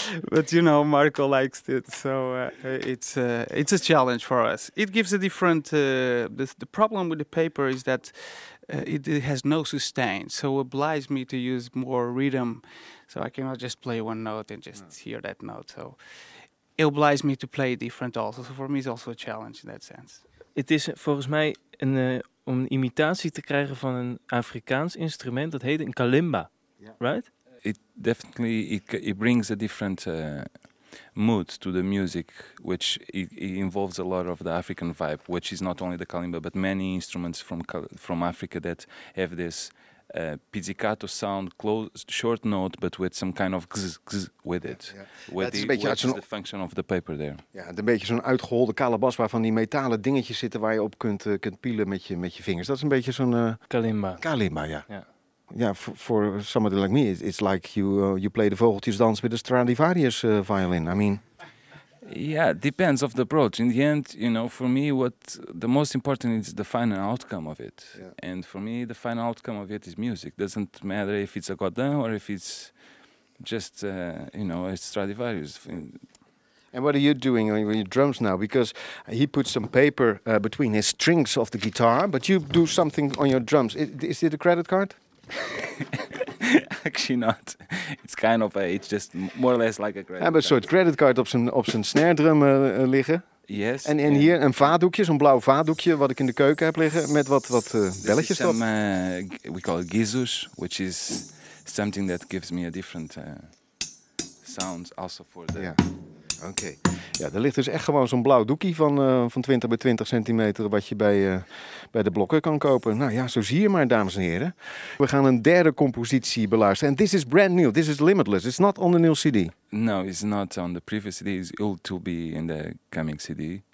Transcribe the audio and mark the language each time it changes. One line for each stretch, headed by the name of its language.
English: But, you know, Marco likes it, so it's a challenge for us. It gives a different... The problem with the paper is that it has no sustain, so it obliges me to use more rhythm, so I cannot just play one note and just hear that note. So it obliges me to play different also, so for me it's also a challenge in that sense. It is,
Dutch: volgens mij, om een imitatie te krijgen van een Afrikaans instrument, dat heet een kalimba,
English: yeah. Right? It definitely it brings a different mood to the music, which it involves a lot of the African vibe, which is not only the kalimba, but many instruments from Africa that have this pizzicato sound, close, short note, but with some kind of gzz with it. Yeah, yeah. Which is the function of the paper there.
Dutch: Ja, een beetje zo'n uitgeholde kale bas waarvan die metalen dingetjes zitten waar je op kunt pielen met je vingers. Dat is een beetje zo'n... Kalimba. Kalimba, ja.
English: Yeah. Ja, for somebody like me, it's like you play the Vogeltjesdans with a Stradivarius violin. I mean... Yeah, depends of the approach. In the end, you know, for me, what the most important is the final outcome of it. Yeah. And for me, the final outcome of it is music. Doesn't matter if it's a Godin or if it's just, you know, a Stradivarius. And what are you doing on your drums now? Because he put some paper between his strings of the guitar, but you do something on your drums. Is it a credit card? Actually not. It's kind of it's just more or less like a credit card.
Dutch: Een soort credit card op zijn snare drum liggen.
English: Yes.
Dutch: En yeah. Hier een vaatdoekje, zo'n blauw vaatdoekje wat ik in de keuken heb liggen met wat belletjes erop.
English: We call it gizus, which is something that gives me a different sound also for the... Yeah. Oké.
Dutch: Okay. Ja, er ligt dus echt gewoon zo'n blauw doekie van 20 bij 20 centimeter wat je bij de blokken kan kopen. Nou ja, zo zie je maar, dames en heren. We gaan een derde compositie beluisteren.
English: And this is brand new. This is limitless. It's not on the new CD. No, it's not on the previous CD. It's all to be in the coming CD.